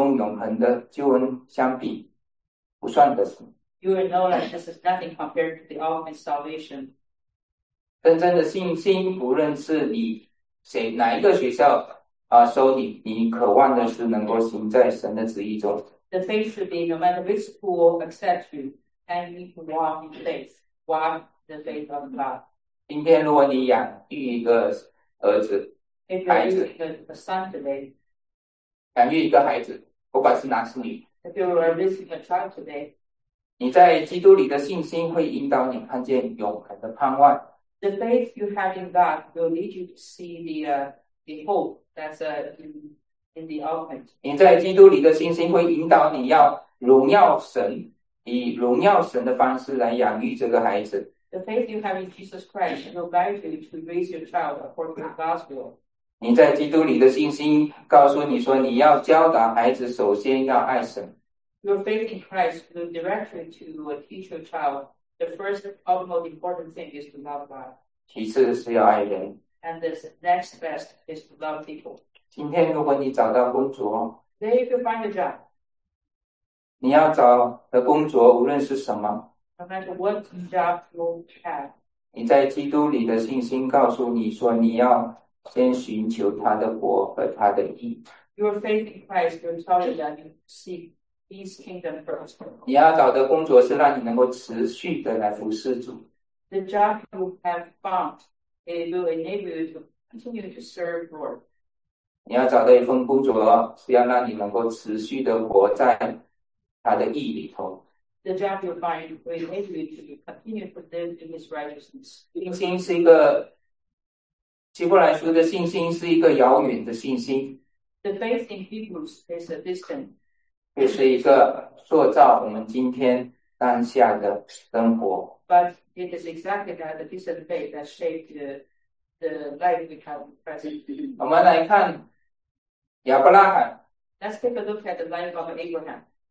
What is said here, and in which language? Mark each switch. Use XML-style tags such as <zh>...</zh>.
<zh>因为你晓得这个跟最终永恒的救恩相比,</zh> <en>you will know that this is nothing compared to the ultimate salvation.</en> <zh>真正的信心不论是你, 谁哪一个学校收你, 你渴望的是能够行在神的旨意中。</zh> <en>The faith should be no matter which school accepts you, and you can walk in faith, walk the faith of God.</en> <zh>今天如果你养育一个儿子,</zh> <en>if you're raising a son today,</en> <zh>养育一个孩子, 不管是男是女,</zh> <en>if you're raising a child today,</en> <zh>你在基督里的信心会引导你看见永恒的盼望。</zh> <en>The faith you have in God will lead you to see the hope that's in the ultimate.</en> <zh>你在基督里的信心会引导你要荣耀神，以荣耀神的方式来养育这个孩子。</zh> <en>The faith you have in Jesus Christ will guide you to raise your child according to God's will.</en> <zh>你在基督里的信心告诉你说，你要教导孩子，首先要爱神。</zh> <en>Your faith in Christ will direct you to teach your child. The first utmost important thing is to love God.</en> <zh>其次是要爱人。</zh> <en>And the next best is to love people.</en> <zh>今天如果你找到工作，</zh> <en>Then you can find a job.</en> <zh>你要找的工作无论是什么，</zh> <en>No matter what job you have.</en> <zh>你在基督里的信心告诉你说，你要先寻求他的国和他的义。</zh> <en>Your faith in Christ will tell you that you seek. His kingdom first.</en> <zh>你要找的工作是让你能够持续的来服侍主。</zh> <en>The job you have found, it will enable you to continue to serve Lord.</en> <zh>你要找到一份工作，是要让你能够持续的活在他的义里头。</zh> <en>The job you find will enable you to continue to live in His righteousness.</en> <zh>信心是一个，希伯来书的信心是一个遥远的信心。</zh> <en>The faith in Hebrews is a distant.</en> <zh>也是一个塑造我们今天当下的生活。</zh> <en>But it is exactly that the piece of faith that shaped the life we have present.</en> <zh>我们来看亚伯拉罕。</zh> <en>Let's take a look at the life of Abraham.</en>